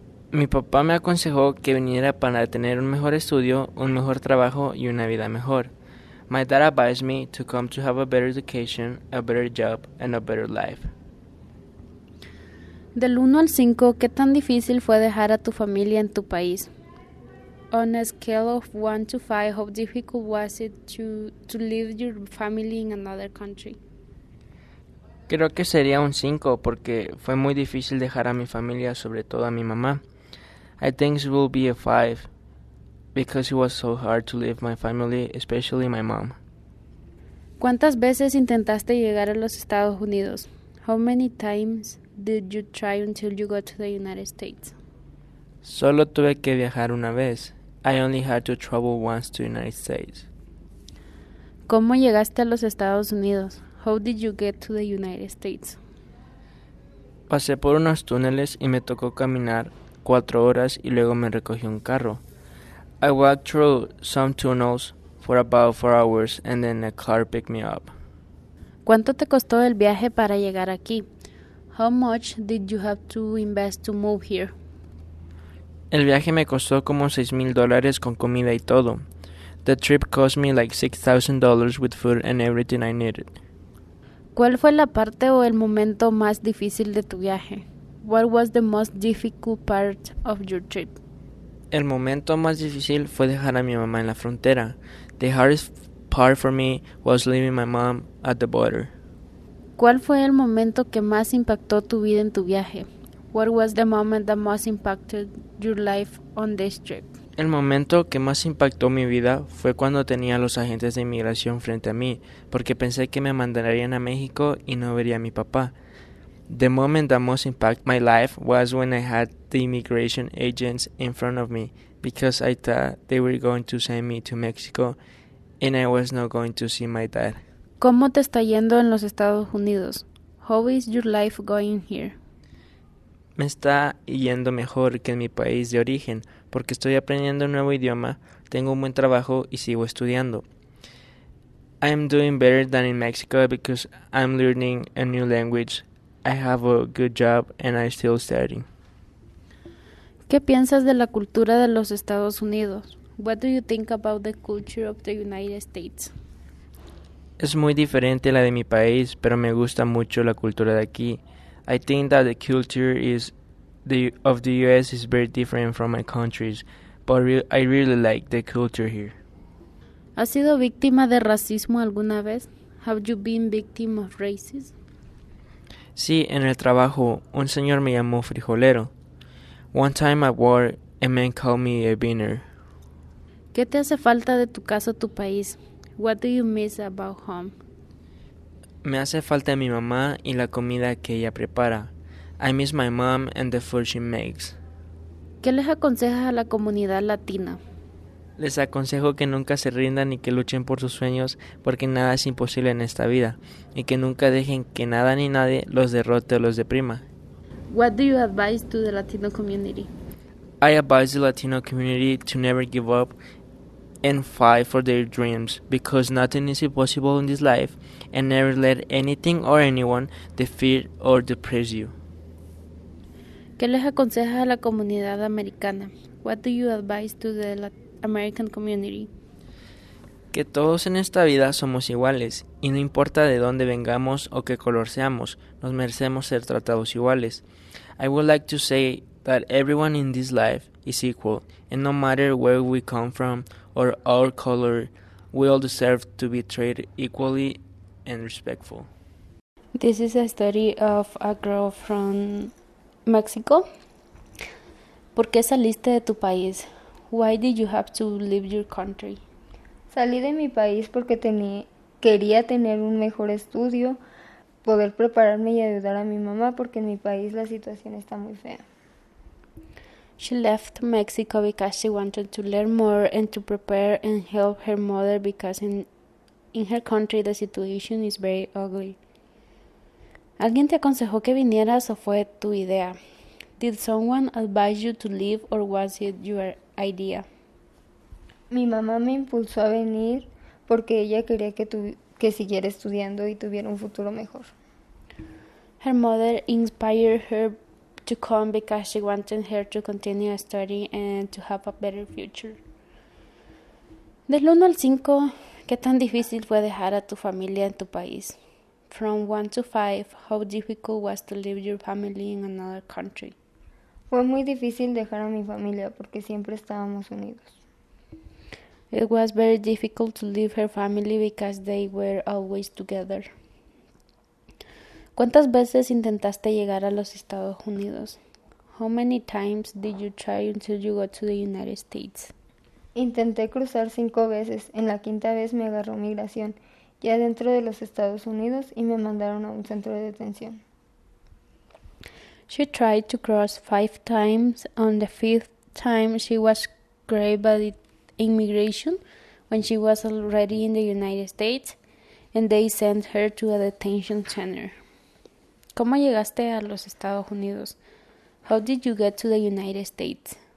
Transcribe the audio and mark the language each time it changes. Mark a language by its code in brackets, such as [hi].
[es] Mi papá me aconsejó que viniera para tener un mejor estudio, un mejor trabajo y una vida mejor. [en] My dad advised me to come to have a better education, a better job, and a better life. [es] Del 1 al 5, ¿qué tan difícil fue dejar a tu familia en tu país? [en] On a scale of 1 to 5, how difficult was it to leave your family in another country? [es] Creo que sería un 5 porque fue muy difícil dejar a mi familia, sobre todo a mi mamá. [en] I think it will be a 5 because it was so hard to leave my family, especially my mom. [es] ¿Cuántas veces intentaste llegar a los Estados Unidos? [en] How many times did you try until you got to the United States? [es] Solo tuve que viajar una vez. [en] I only had to travel once to the United States. [es] ¿Cómo llegaste a los Estados Unidos? [en] How did you get to the United States? [es] Pasé por unos túneles y me tocó caminar 4 horas y luego me recogió un carro. [en] I walked through some tunnels for about 4 hours and then a car picked me up. [es] ¿Cuánto te costó el viaje para llegar aquí? [en] How much did you have to invest to move here? [es] El viaje me costó como $6,000 con comida y todo. [en] The trip cost me like $6,000 with food and everything I needed. [es] ¿Cuál fue la parte o el momento más difícil de tu viaje? [en] What was the most difficult part of your trip? [es] El momento más difícil fue dejar a mi mamá en la frontera. [en] The hardest part for me was leaving my mom at the border. [es] ¿Cuál fue el momento que más impactó tu vida en tu viaje? [en] What was the moment that most impacted your life on this trip? [es] El momento que más impactó mi vida fue cuando tenía a los agentes de inmigración frente a mí, porque pensé que me mandarían a México y no vería a mi papá. [en] The moment that most impacted my life was when I had the immigration agents in front of me because I thought they were going to send me to Mexico and I was not going to see my dad. [es] ¿Cómo te está yendo en los Estados Unidos? [en] How is your life going here? [es] Me está yendo mejor que en mi país de origen porque estoy aprendiendo un nuevo idioma, tengo un buen trabajo y sigo estudiando. [en] I am doing better than in Mexico because I'm learning a new language. I have a good job and I'm still studying. [es] ¿Qué piensas de la cultura de los Estados Unidos? [en] What do you think about the culture of the United States? [es] Es muy diferente a la de mi país, pero me gusta mucho la cultura de aquí. [en] I think that the culture of the US is very different from my countries, but I really like the culture here. [es] ¿Has sido víctima de racismo alguna vez? [en] Have you been victim of racism? [es] Sí, en el trabajo, un señor me llamó frijolero. [en] One time at work, a man called me a beaner. [es] ¿Qué te hace falta de tu casa o tu país? [en] What do you miss about home? [es] Me hace falta mi mamá y la comida que ella prepara. [en] I miss my mom and the food she makes. [es] ¿Qué les aconsejas a la comunidad latina? Les aconsejo que nunca se rindan y que luchen por sus sueños porque nada es imposible en esta vida y que nunca dejen que nada ni nadie los derrote o los deprima. [en] What do you advise to the Latino community? I advise the Latino community to never give up and fight for their dreams because nothing is impossible in this life and never let anything or anyone defeat or depress you. [es] ¿Qué les aconsejas a la comunidad americana? [en] What do you advise to the Latino American Community. [es] Que todos en esta vida somos iguales, y no importa de dónde vengamos o qué color seamos, nos merecemos ser tratados iguales. [en] I would like to say that everyone in this life is equal, and no matter where we come from or our color, we all deserve to be treated equally and respectful. This is a story of a girl from Mexico. [es] ¿Por qué saliste de tu país? [en] Why did you have to leave your country? [es] Salí de mi país porque quería tener un mejor estudio, poder prepararme y ayudar a mi mamá porque en mi país la situación está muy fea. [en] She left Mexico because she wanted to learn more and to prepare and help her mother because in her country the situation is very ugly. [es] ¿Alguien te aconsejó que vinieras o fue tu idea? [en] Did someone advise you to leave or was it your idea? [es] Mi mamá me impulsó a venir porque ella quería que siguiera estudiando y tuviera un futuro mejor. [en] Her mother inspired her to come because she wanted her to continue studying and to have a better future. [es] Del 1 al 5, ¿qué tan difícil fue dejar a tu familia en tu país? [en] From 1 to 5, how difficult was to leave your family in another country? [es] Fue muy difícil dejar a mi familia porque siempre estábamos unidos. [en] It was very difficult to leave her family because they were always together. [es] ¿Cuántas veces intentaste llegar a los Estados Unidos? [en] How many times did you try until you got to the United States? [es] Intenté cruzar 5 veces. En la quinta vez me agarró migración, ya dentro de los Estados Unidos, y me mandaron a un centro de detención. [en] She tried to cross 5 times. On the 5th time, she was grabbed by the immigration when she was already in the United States and they sent her to a detention center. [es] ¿Cómo llegaste a los Estados Unidos? [en] How did you get to the United States?